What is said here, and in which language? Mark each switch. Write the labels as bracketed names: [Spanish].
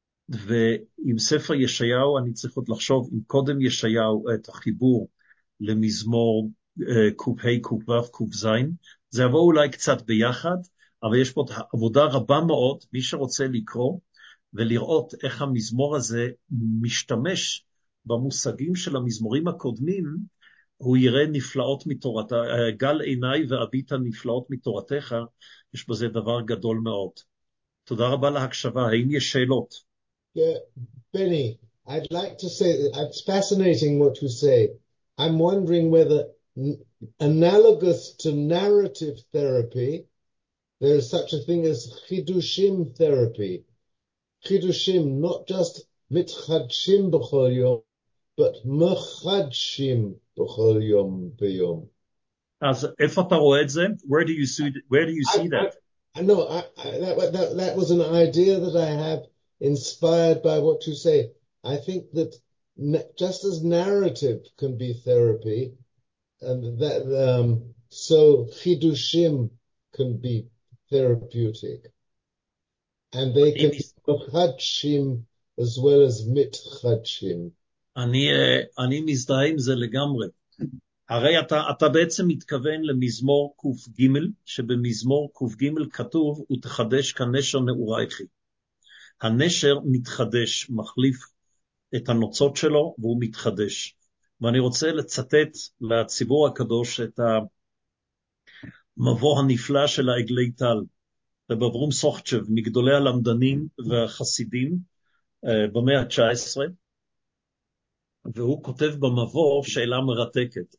[Hebrew] ועם ספר ישעיהו אני צריך עוד לחשוב אם קודם ישעיהו את החיבור למזמור קה, קו, קז, זה יבוא אולי קצת ביחד, אבל יש פה עבודה רבה מאוד, מי שרוצה לקרוא ולראות איך המזמור הזה משתמש במושגים של המזמורים הקודמים, הוא יראה נפלאות מתורתך, גל עיניי ואביטה נפלאות מתורתך, יש בזה דבר גדול מאוד. תודה רבה להקשבה, האם יש שאלות? [English] Benny, I'd like to say that it's fascinating what you say. I'm wondering whether analogous to narrative therapy, there is such a thing as chidushim therapy. [Hebrew] Chidushim, [English] not just [Hebrew] mitchadshim b'chol yom, [English] but [Hebrew] mechadshim b'chol yom b'yom. [English] As if I saw it, where do you see that? That was an idea that I have inspired by what you say. I think that just as narrative can be therapy, and that so chidushim can be therapeutic, and they can be chadshim as well as mit chadshim. [Hebrew] אני מזדהה עם זה לגמרי. הרי אתה בעצם מתכוון למזמור קוף ג', שבמזמור קוף ג' כתוב, ותחדש כנשר נעורייכי. הנשר מתחדש, מחליף את הנוצות שלו, והוא מתחדש. ואני רוצה לצטט לציבור הקדוש את המבוא הנפלא של העגלי טל, רב אברום סוחצ'ב, מגדולי הלמדנים והחסידים במאה ה-19, והוא כותב במבוא שאלה מרתקת.